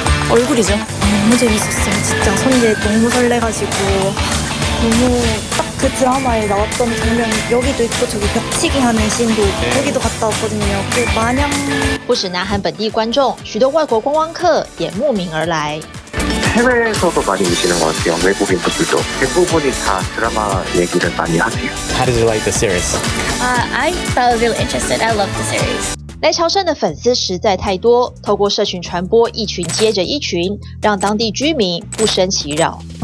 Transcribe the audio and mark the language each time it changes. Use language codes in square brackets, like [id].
[ko] 얼굴이죠。 너무재밌었어요，진짜선배너무설레가지고。 너무딱그드라마에나왔던장면여기도있고저기벽치기하는신도여기도갔다왔거든요그마냥 [zh] 不止南韩本地观众，许多外国观光客也慕名而来。 [ko] 해외에서도많이오시는것같아요외국인분들도대부분이다드라마얘기를많이하세요 [en] How did you like the series? I felt really interested. I love the series. [zh] 来朝圣的粉丝实在太多，透过社群传播，一群接着一群，让当地居民不生其扰。